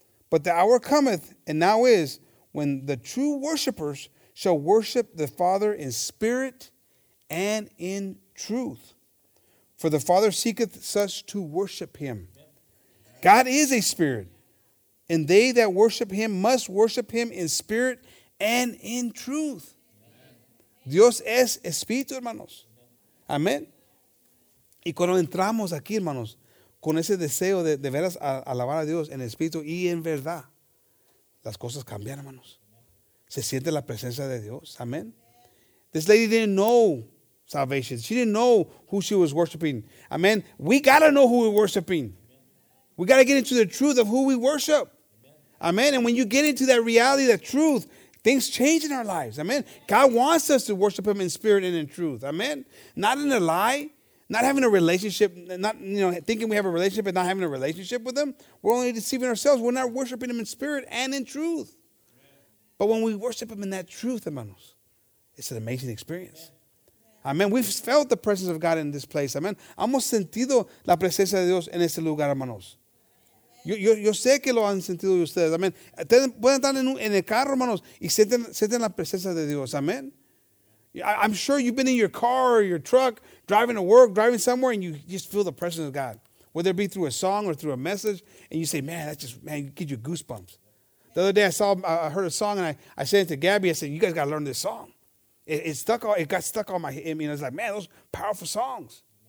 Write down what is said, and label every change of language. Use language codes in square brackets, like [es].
[en] But the hour cometh, and now is, when the true worshipers shall worship the Father in spirit and in truth. For the Father seeketh such to worship him. God is a spirit. And they that worship him must worship him in spirit and in truth. [es] Amen. Dios es espíritu, hermanos. Amén. Y cuando entramos aquí, hermanos, con ese deseo de veras a alabar a Dios en espíritu y en verdad, las cosas cambian, hermanos. Se siente la presencia de Dios. Amén. [en] This lady didn't know salvation. She didn't know who she was worshiping. Amén. We got to know who we're worshiping. We got to get into the truth of who we worship. Amen. And when you get into that reality, that truth, things change in our lives. Amen. God wants us to worship him in spirit and in truth. Amen. Not in a lie, not having a relationship, not, you know, thinking we have a relationship and not having a relationship with him. We're only deceiving ourselves. We're not worshiping him in spirit and in truth. But when we worship him in that truth, hermanos, it's an amazing experience. Amen. We've felt the presence of God in this place. Amen. [es] Hemos sentido la presencia de Dios en este lugar, hermanos. Yo sé que lo han sentido ustedes, amén. Pueden estar en el carro, hermanos, y sienten la presencia de Dios, amén. [en] I'm sure you've been in your car or your truck, driving to work, driving somewhere, and you just feel the presence of God, whether it be through a song or through a message, and you say, man, that just, man, gives you goosebumps. The other day I heard a song, and I said it to Gabby, I said, you guys got to learn this song. It got stuck on my head. I mean, it's like, man, those powerful songs.